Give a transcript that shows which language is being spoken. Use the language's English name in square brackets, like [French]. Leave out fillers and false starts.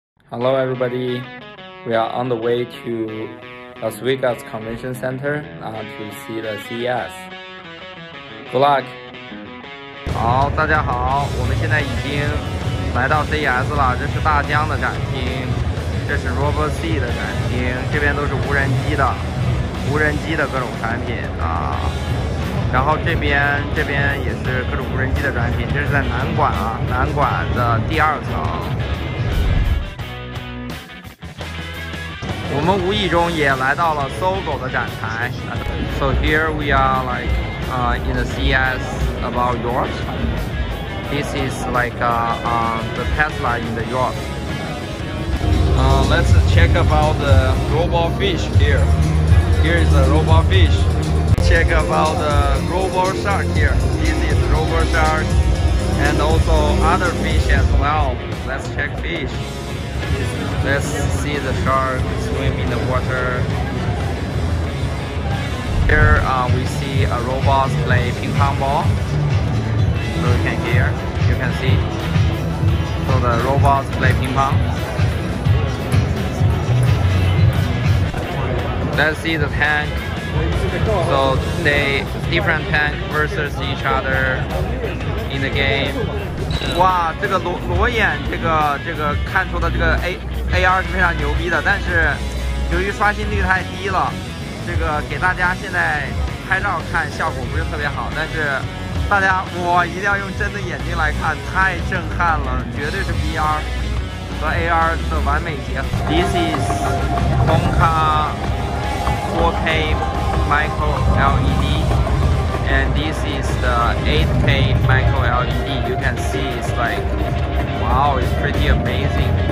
[English] Hello everybody, we are on the way to Las Vegas Convention Center to see the CES. Good luck! [Chinese] 好，大家好，我们现在已经来到 CES 了，这是大疆的展厅，这是 RoboC 的展厅，这边都是无人机的各种产品啊。然后这边也是各种无人机的展品，这是在南馆啊，南馆的第二层。我们无意中也来到了搜狗的展台。 [English] So here we are like in the CES about Europe. This is like the Tesla in the Europe. Let's check about the robot fish here. Here is the robot fish. Check about the robot shark here. This is robot shark and also other fish as well. Let's check fish. Let's see the shark swim in the water. Here we see a robot play ping pong ball. So you can hear, you can see. So the robot play ping pong. Let's see the tank. So they different tank versus each other in the game. [Chinese] 哇，这个裸眼这个看出的这个 AR 是非常牛逼的，但是由于刷新率太低了，这个给大家现在拍照看效果不是特别好，但是大家我一定要用真的眼睛来看，太震撼了，绝对是 VR 和 AR 的完美结合。 [English] This is Hong Kong 4K Micro LEDAnd this is the 8K micro LED. You can see it's like, wow, it's pretty amazing.